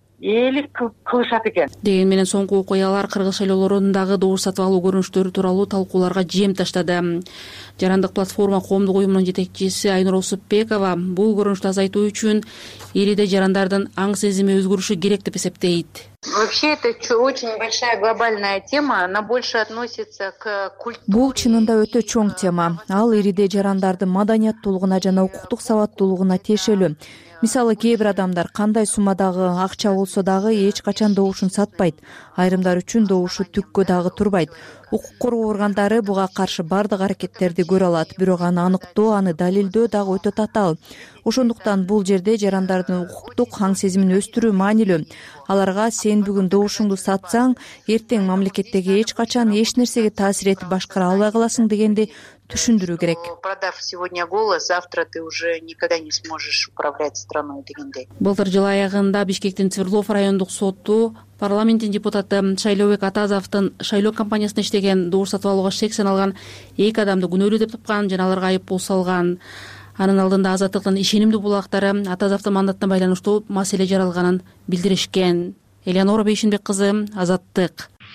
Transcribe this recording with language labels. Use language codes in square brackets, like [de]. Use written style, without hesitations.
[ky] ээлик кылышат экен. Деген менен соңку окуялар кыргыз шайлоолорундагы добуш сатып алуу көрүнүштөрү тууралуу талкууларга жем таштады. Жарандык платформа коомдук уюмунун жетекчиси Айнур Осуппекова бул көрүнүштү азайтуу үчүн элде жарандардын аң сезими өзгөрүшү керек деп эсептейт. [ru] Вообще это очень большая глобальная тема, она больше относится к культуре. [ky] Бул чынында өтө чоң тема. Ал ириде жарандардын маданияттуулугуна жана укуктук сабаттуулугуна тиешелүү. Мисалы, кээ бир адамдар кандай суммадагы акча болсо дагы эч качан добушун сатпайт. Айрымдар үчүн добушу түккө дагы турбайт. Укук коргоо органдары буга каршы бардык аракеттерди көрө алат, бирок аны аныктоо, аны далилдөө дагы өтө татаал. Ошондуктан бул жерде жарандардын укуктук аң сезимин өстүрүү маанилүү. Аларга сен бүгүн добушуңду сатсаң, эртең мамлекеттеги эч качан эч нерсеге таасир этип башкара албай каласың дегенди түшүндүрүү керек. [ru] Продав сегодня голос, завтра ты уже никогда не сможешь управлять страной [ky] дегендей. Былтыр жыл аягында Бишкектин Свердлов райондук соту парламенттин депутаты Шайлообек Атазовдун шайлоо компаниясында иштеген добуш сатып алууга шек саналган эки адамды күнөөлүү деп тапкан жана аларга айыппул салган. Анын алдында Азаттыктын ишенимдүү булактары Атазовдун мандатына байланыштуу маселе жаралганын билдиришкен. Элеонора Бейшенбек кызы, Азаттык.